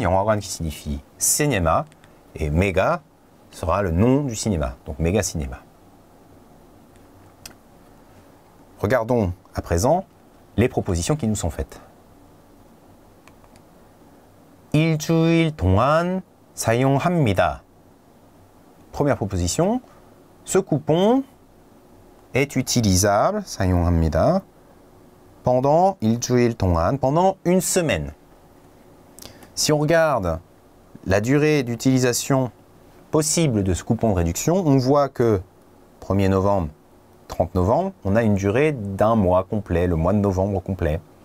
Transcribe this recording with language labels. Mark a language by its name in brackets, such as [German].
[French] 영화관 qui signifie cinéma, et 메가 sera le nom du cinéma, donc 메가 cinéma. Regardons à présent les propositions qui nous sont faites. [Korean] 일주일 동안 사용합니다. [French] Première proposition, ce coupon est utilisable, 사용합니다, pendant [Korean] 일주일 동안, [French] pendant une semaine. Si on regarde la durée d'utilisation possible de ce coupon de réduction, on voit que 1er novembre, 30 novembre, on a une durée d'un mois complet, le mois de novembre complet.